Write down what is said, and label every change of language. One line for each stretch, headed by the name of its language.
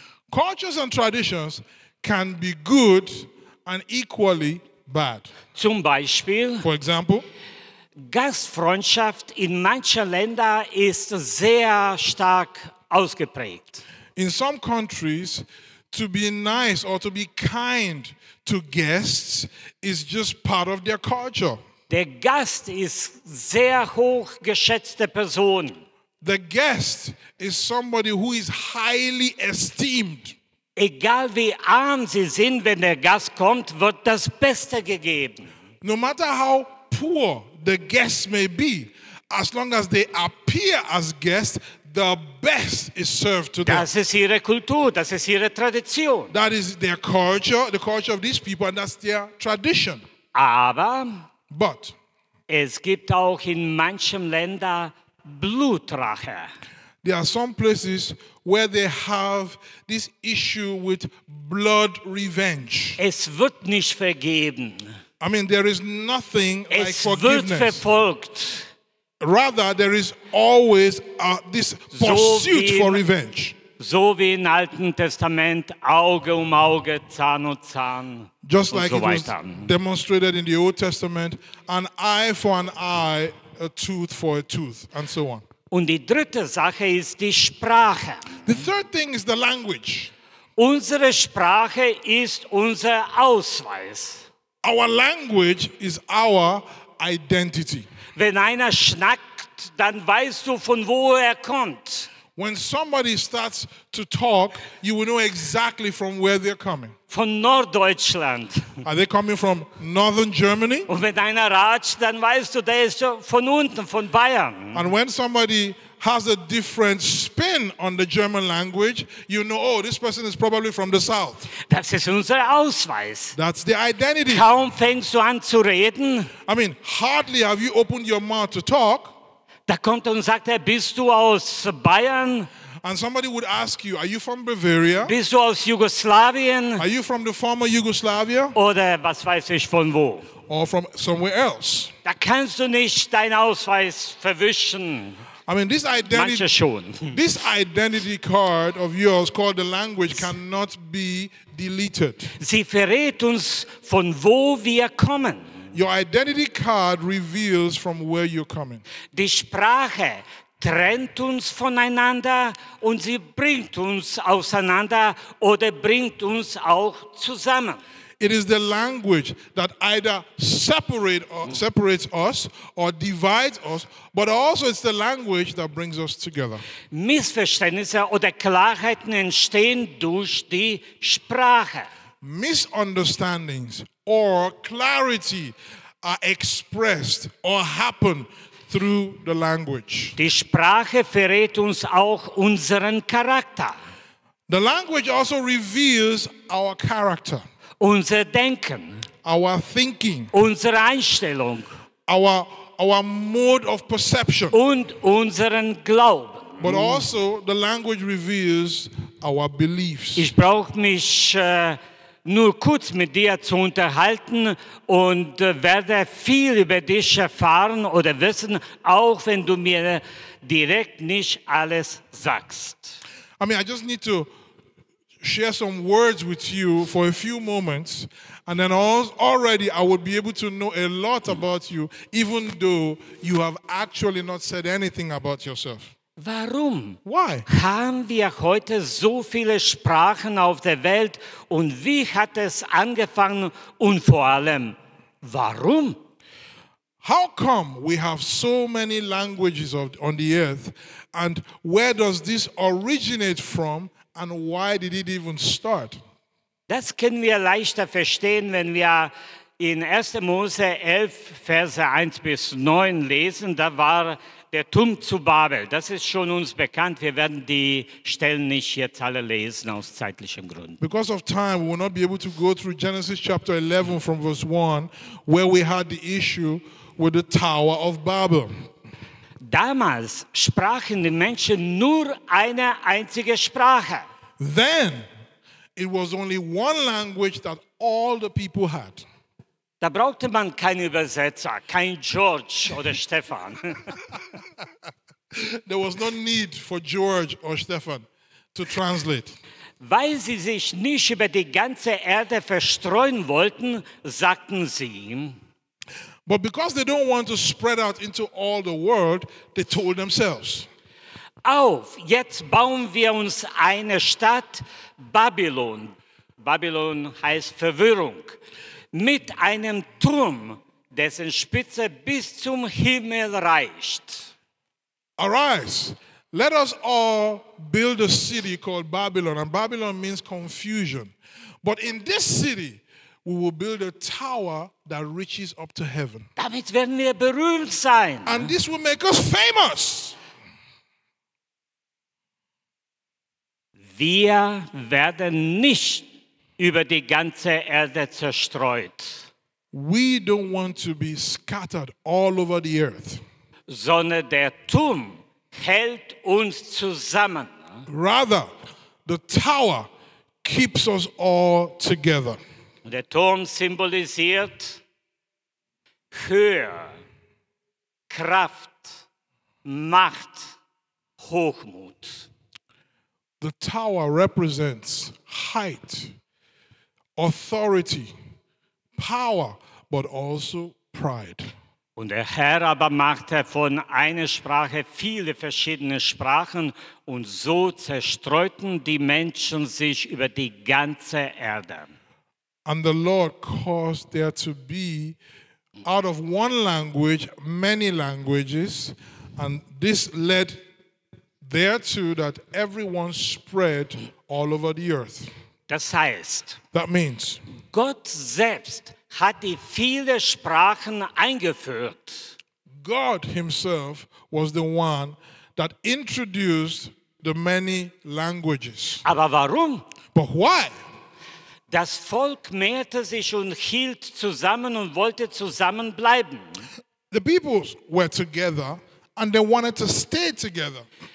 English: Cultures and traditions can be good and equally bad.
German: Zum Beispiel,
English: for example,
German: Gastfreundschaft in manchen Ländern ist sehr stark ausgeprägt.
English: In some countries, to be nice or to be kind to guests is just part of their culture.
German: Der Gast ist sehr hoch geschätzte Person.
English: The guest is somebody who is highly esteemed.
German: Egal wie arm sie sind, wenn der Gast kommt, wird das Beste gegeben.
English: No matter how poor the guest may be, as long as they appear as guests, the best is served to them.
German: Das ist ihre Kultur, das ist ihre Tradition.
English: That is their culture, the culture of these people, and that's their tradition.
German: Aber
English: but
German: es gibt auch in manchen Ländern Blutrache.
English: There are some places where they have this issue with blood revenge.
German: Es wird nicht vergeben.
English: I mean, there is nothing
German: es
English: like forgiveness.
German: Es wird verfolgt.
English: Rather, there is always this pursuit for revenge.
German: So wie im Alten Testament, Auge um Auge, Zahn um Zahn.
English: Just like
German: so
English: it
German: weiter.
English: Was demonstrated in the Old Testament, an eye for an eye, a tooth for a tooth, and so on.
German: Und die dritte Sache ist die Sprache.
English: The third thing is the language.
German: Unsere Sprache ist unser Ausweis.
English: Our language is our identity.
German: Wenn einer schnackt, dann weißt du, von wo er kommt.
English: When somebody starts to talk, you will know exactly from where they're coming.
German: Von Norddeutschland.
English: Are they coming from Northern Germany?
German: Und wenn einer ratscht, dann weißt du, der ist von unten, von Bayern.
English: And when somebody has a different spin on the German language, you know, oh, this person is probably from the South.
German: Das ist unser Ausweis.
English: That's the identity.
German: Kaum fängst du an zu reden.
English: I mean, hardly have you opened your mouth to talk.
German: Da kommt und sagt er, bist du aus Bayern?
English: And somebody would ask you, are you from Bavaria?
German: Bist du aus Jugoslawien?
English: Are you from the former Yugoslavia?
German: Oder was weiß ich von wo?
English: Or from somewhere else.
German: Da kannst du nicht deinen Ausweis verwischen.
English: I mean, this identity card of yours called the language cannot be deleted.
German: Sie verrät uns, von wo wir kommen.
English: Your identity card reveals from where you're coming.
German: Die Sprache trennt uns voneinander und sie bringt uns auseinander oder bringt uns auch zusammen.
English: It is the language that either separates us or divides us, but also it's the language that brings us together.
German: Missverständnisse oder Klarheiten entstehen durch die Sprache.
English: Misunderstandings or clarity are expressed or happen through the language.
German: Die Sprache verrät uns auch unseren Charakter.
English: The language also reveals our character.
German: Unser Denken,
English: our thinking,
German: unsere Einstellung,
English: our mode of perception,
German: und unseren Glauben.
English: But also the language reveals our beliefs.
German: Ich brauche mich nur kurz mit dir zu unterhalten und werde viel über dich erfahren oder wissen, auch wenn du mir direkt nicht alles sagst.
English: I mean, I just need to share some words with you for a few moments, and then already I would be able to know a lot about you, even though you have actually not said anything about yourself.
German: Warum?
English: Why?
German: Haben wir heute so viele Sprachen auf der Welt und wie hat es angefangen und vor allem warum?
English: How come we have so many languages on the earth and where does this originate from? And why did it even start?
German: Das können wir leichter verstehen, wenn wir in 1. Mose 11, Verse 1 bis 9 lesen. Da war der Turm zu Babel. Das ist schon uns bekannt. Wir werden die Stellen nicht jetzt alle lesen, aus zeitlichem Grund.
English: Because of time, we will not be able to go through Genesis chapter 11 from verse 1, where we had the issue with the Tower of Babel.
German: Damals sprachen die Menschen nur eine einzige Sprache.
English: Then it was only one language that all the people had.
German: Da brauchte man keinen Übersetzer, kein George oder Stefan.
English: There was no need for George or Stefan to translate.
German: Weil sie sich nicht über die ganze Erde verstreuen wollten, sagten sie ihm,
English: but because they don't want to spread out into all the world, they told themselves,
German: auf, jetzt bauen wir uns eine Stadt, Babylon. Babylon heißt Verwirrung. Mit einem Turm, dessen Spitze bis zum Himmel reicht.
English: Arise, let us all build a city called Babylon. And Babylon means confusion. But in this city, we will build a tower that reaches up to heaven.
German: Damit werden wir berühmt sein.
English: And this will make us famous.
German: Wir werden nicht über die ganze Erde zerstreut.
English: We don't want to be scattered all over the earth.
German: Sondern der Turm hält uns zusammen.
English: Rather, the tower keeps us all together.
German: Der Turm symbolisiert Höhe, Kraft, Macht, Hochmut.
English: The tower represents height, authority, power, but also pride.
German: Und der Herr aber machte von einer Sprache viele verschiedene Sprachen und so zerstreuten die Menschen sich über die ganze Erde.
English: And the Lord caused there to be, out of one language, many languages. And this led thereto that everyone spread all over the earth.
German: Das heißt,
English: that means,
German: Gott selbst hat die viele Sprachen eingeführt.
English: God himself was the one that introduced the many languages.
German: Aber warum?
English: But why?
German: Das Volk mehrte sich und hielt zusammen und wollte zusammenbleiben.
English: The people were together and they wanted to stay together.